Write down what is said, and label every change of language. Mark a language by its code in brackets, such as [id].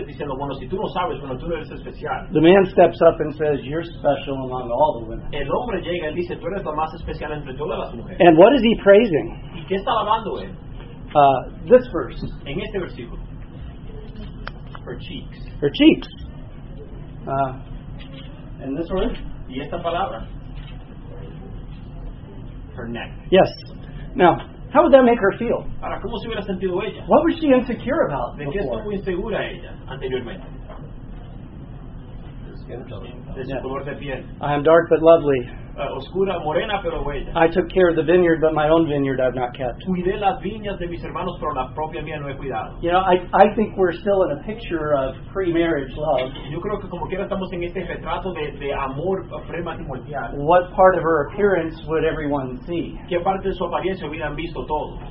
[en] The man steps up and says, you're special among all the women. [es] El hombre llega y dice, tú eres la más especial entre todas las mujeres. [en] And what is he praising? [es] ¿Y qué está alabando él? [en] This verse. [es] En este versículo. [en] Her cheeks. Her cheeks. And this one? [es] Y esta palabra. [en] Her neck. Yes. Now, how would that make her feel? [es] Ahora, ¿cómo se hubiera sentido ella? [en] What was she insecure about? [es] ¿De qué estaba insegura ella anteriormente? [en] I am dark but lovely. [es] Oscura, morena, pero bella. [en] I took care of the vineyard, but my own vineyard I've not kept. [es] Cuidé las viñas de mis hermanos, pero la propia mía no he cuidado. [en] You know, I think we're still in a picture of pre-marriage love. [es] Yo creo que como quiera estamos en este retrato de amor prematrimonial. [en] What part of her appearance would everyone see? [es] ¿Qué parte de su apariencia hubieran visto todos?